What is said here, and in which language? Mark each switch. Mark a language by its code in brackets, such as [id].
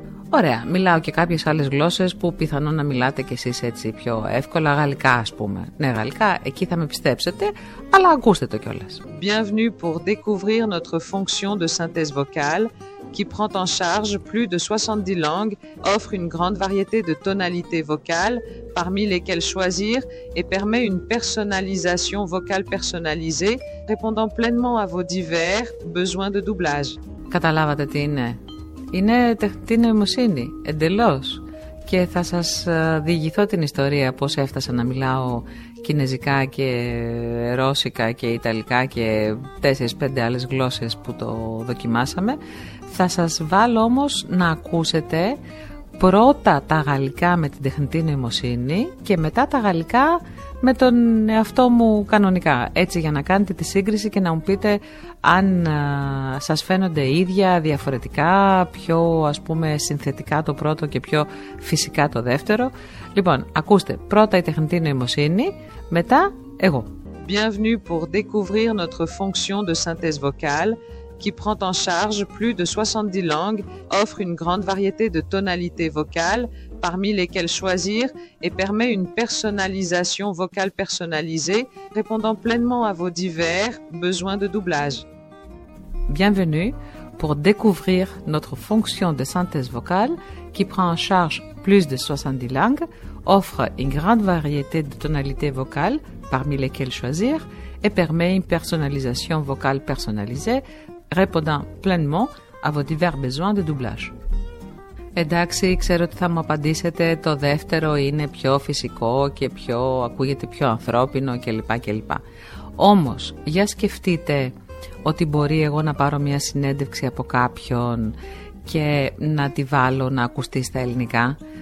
[el] Ωραία, μιλάω και κάποιες άλλες γλώσσες που πιθανόν να μιλάτε κι εσείς έτσι πιο εύκολα, γαλλικά ας πούμε. Ναι, γαλλικά, εκεί θα με πιστέψετε, αλλά ακούστε το κιόλας. [fr] Bienvenue pour découvrir notre fonction de synthèse vocale qui prend en charge plus de 70 langues, offre une grande variété de tonalités vocales parmi lesquelles choisir et permet une personnalisation vocale personnalisée répondant pleinement à vos divers besoins de doublage. [el] Καταλάβατε τι είναι? Είναι τεχνητή νοημοσύνη, εντελώς. Και θα σας διηγηθώ την ιστορία πώς έφτασα να μιλάω κινέζικα και ρώσικα και ιταλικά και 4-5 άλλες γλώσσες που το δοκιμάσαμε. Θα σας βάλω όμως να ακούσετε πρώτα τα γαλλικά με την τεχνητή νοημοσύνη και μετά τα γαλλικά με τον εαυτό μου κανονικά, έτσι για να κάνετε τη σύγκριση και να μου πείτε αν σας φαίνονται ίδια, διαφορετικά, πιο ας πούμε συνθετικά το πρώτο και πιο φυσικά το δεύτερο. Λοιπόν, ακούστε, πρώτα η τεχνητή νοημοσύνη, μετά εγώ. [fr] Bienvenue pour découvrir notre fonction de synthèse vocale qui prend en charge plus de 70 langues, offre une grande variété de tonalités vocales parmi lesquelles choisir et permet une personnalisation vocale personnalisée répondant pleinement à vos divers besoins de doublage. Bienvenue pour découvrir notre fonction de synthèse vocale qui prend en charge plus de 70 langues, offre une grande variété de tonalités vocales parmi lesquelles choisir et permet une personnalisation vocale personnalisée répondant pleinement à vos divers besoins de doublage. [el] Εντάξει, ξέρω ότι θα μου απαντήσετε το δεύτερο είναι πιο φυσικό και πιο ακούγεται πιο ανθρώπινο κλπ. Όμως, για σκεφτείτε ότι μπορεί εγώ να πάρω μια συνέντευξη από κάποιον και να τη βάλω να ακουστεί στα ελληνικά.